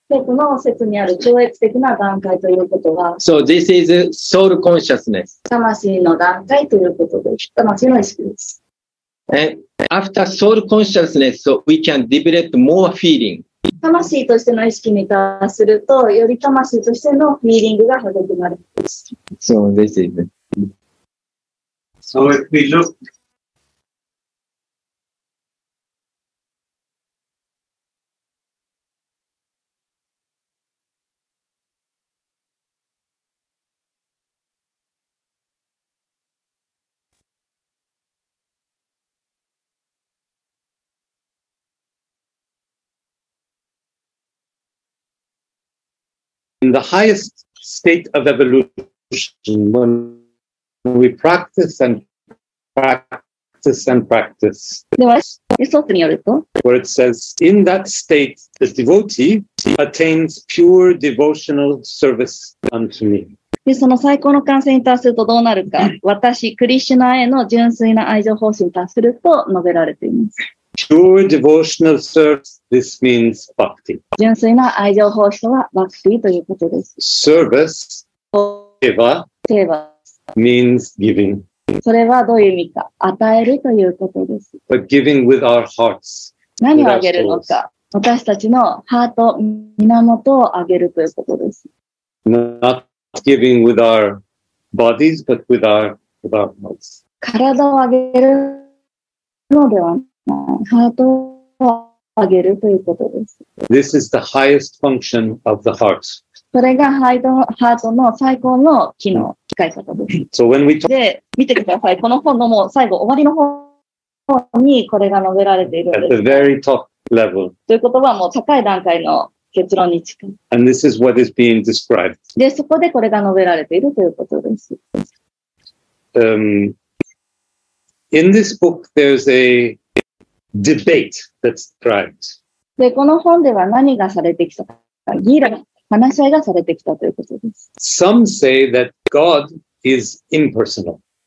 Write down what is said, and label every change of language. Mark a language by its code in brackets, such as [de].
[ja] この説にある超越的な段階ということは、 [en] So this is soul consciousness. [ja] 魂の段階ということです。魂の意識です。 [en] And after soul consciousness, so we can develop more feeling. [ja] 魂としての意識に達すると、より魂としてのフィーリングが育まれます。 [en] So this is. So if we look in the highest state of evolution, when we practice, where it says, in that state, the devotee attains pure devotional service unto me. [ja] で、その最高の完成に達するとどうなるか。私、クリシュナへの純粋な愛情奉仕に達すると述べられています。 [en] Pure devotional service, this means bhakti. [ja] 純粋な愛情奉仕とはバクティということです。 [en] Service, seva, seva means giving. [ja] それはどういう意味か、与えるということです。 [en] But giving with our hearts, [ja] 何をあげるのか、私たちのハート、源をあげるということです。 [en] Not giving with our bodies, but with our hearts. [ja] 体をあげるのではない、ハートをあげるということです。 [en] This is the highest function of the heart. [ja] それがハートの最高の機能、使い方です。 [en] So、when we talk... [ja] で、見てください。この本のもう最後、終わりの方にこれが述べられているんです。 [en] At the very top level. [ja] ということはもう高い段階の結論に近い。 [en] And this is what is being described. [ja] で、そこでこれが述べられているということです。 [en] In this book, there's a debate that's described. [ja] で、この本では何がされてきたか。ギーラ話し合いがされてきたということです。 [en] Some say that God is impersonal.